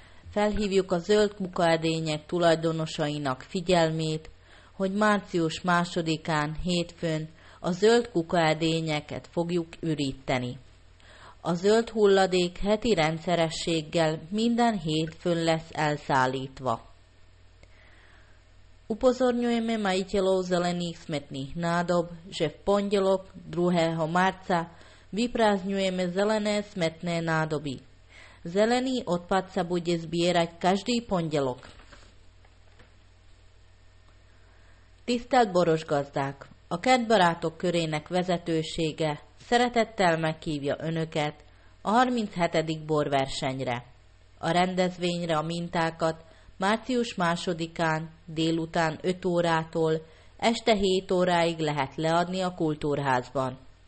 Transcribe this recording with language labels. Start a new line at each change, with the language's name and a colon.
Hungarian: Felhívjuk a zöld kukaedények tulajdonosainak figyelmét, hogy március 2-án, hétfőn a zöld kukaedényeket fogjuk üríteni. A zöld hulladék heti rendszerességgel minden hétfőn lesz elszállítva.
Slovak: Upozorňujeme majiteľov zelených smetných nádob, že v pondelok 2. marca vyprázdňujeme zelené smetné nádoby. Zelený odpad sa bude zbierať každý pondelok.
Hungarian: Tisztelt borosgazdák! A Kertbarátok körének vezetősége szeretettel meghívja önöket a 37. borversenyre. A rendezvényre a mintákat március 2-án délután 5 órától este 7 óráig lehet leadni a kultúrházban.